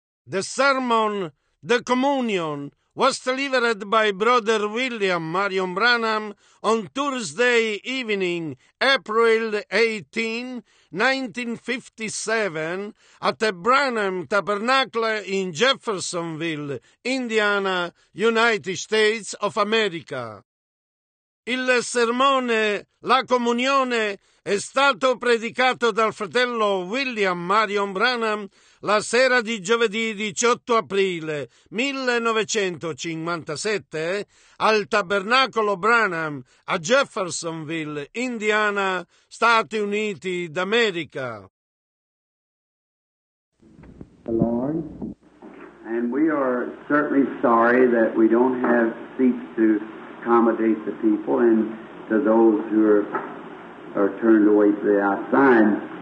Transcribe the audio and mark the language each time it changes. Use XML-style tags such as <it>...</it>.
<en>The sermon, the communion, was delivered by Brother William Marion Branham on Thursday evening, April 18, 1957, at the Branham Tabernacle in Jeffersonville, Indiana, United States of America.</en> <it>Il sermone, la comunione, è stato predicato dal fratello William Marion Branham la sera di giovedì 18 aprile 1957 al Tabernacolo Branham a Jeffersonville, Indiana, Stati Uniti d'America.</it> <en>Lord, and we are certainly sorry that we don't have seats to accommodate the people and to those who are turned away to the outside.</en>